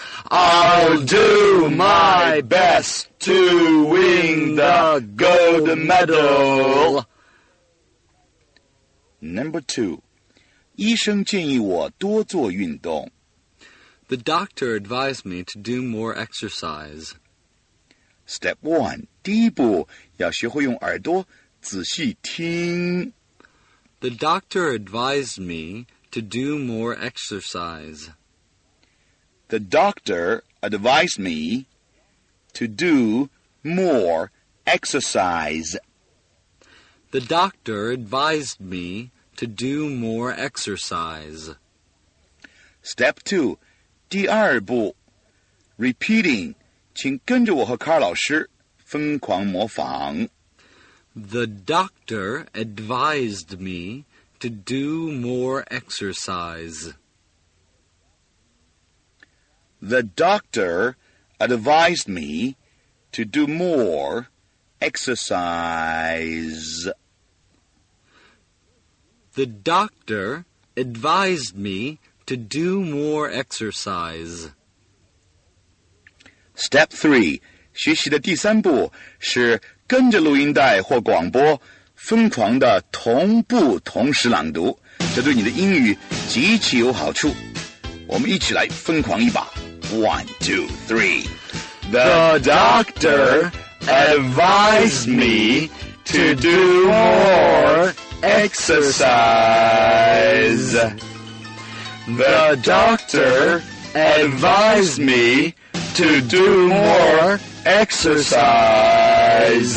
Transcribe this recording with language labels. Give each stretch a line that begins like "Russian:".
English: I'll do my best to win the gold medal.
Chinese: Number 2. 医生建议我多做运动。
English: The doctor advised me to do more exercise. Step 1.
Chinese: 第一步要学会用耳朵仔细听。
English: The doctor advised me to do more exercise. The doctor advised me to do more exercise. The doctor advised me to do more exercise.
Chinese: Step 2, 第二步 Repeating, 请跟着我和卡老师疯狂模仿。
English: The doctor advised me to do more exercise. The doctor advised me to do more exercise. The doctor advised me to do more exercise.
Chinese: Step 3, 学习的第三步是跟着录音带或广播疯狂的同步同时朗读，这对你的英语极其有好处。我们一起来疯狂一把。 One, two, three.
English: The doctor advised me to do more exercise. The doctor advised me to do more exercise.